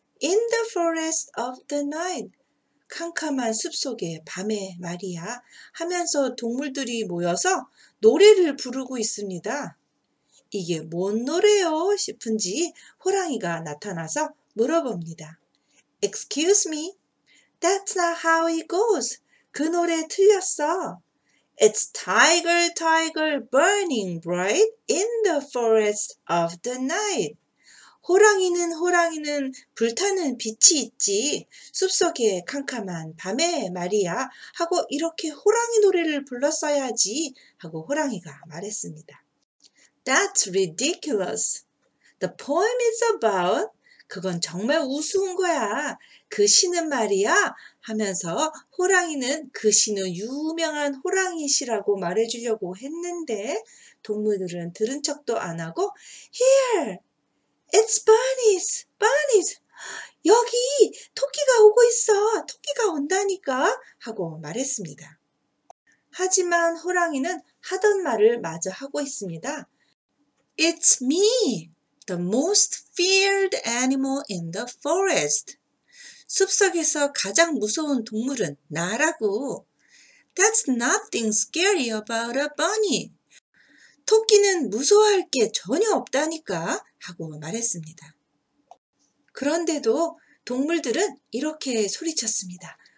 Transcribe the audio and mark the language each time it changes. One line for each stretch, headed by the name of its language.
English: 'In the forest of the night.'
Korean: 캄캄한 숲속에 밤에 말이야 하면서 동물들이 모여서 노래를 부르고 있습니다. 이게 뭔 노래요? 싶은지 호랑이가 나타나서 물어봅니다.
English: 'Excuse me, that's not how it goes.'
Korean: 그 노래 틀렸어.
English: 'It's tiger, tiger, burning bright in the forest of the night.'
Korean: 호랑이는 불타는 빛이 있지. 숲속에 캄캄한 밤에 말이야 하고 이렇게 호랑이 노래를 불렀어야지 하고 호랑이가 말했습니다.
English: 'That's ridiculous. The poem is about'
Korean: 그건 정말 우스운 거야. 그 시는 말이야 하면서 호랑이는 그 시는 유명한 호랑이 시라고 말해주려고 했는데 동물들은 들은 척도 안 하고 'Here!
English: It's bunnies! Bunnies!
Korean: 여기 토끼가 오고 있어! 토끼가 온다니까!' 하고 말했습니다. 하지만 호랑이는 하던 말을 마저 하고 있습니다.
English: 'It's me, the most feared animal in the forest.'
Korean: 숲속에서 가장 무서운 동물은 나라고.
English: 'That's nothing scary about a bunny.'
Korean: 토끼는 무서워할 게 전혀 없다니까 하고 말했습니다. 그런데도 동물들은 이렇게 소리쳤습니다.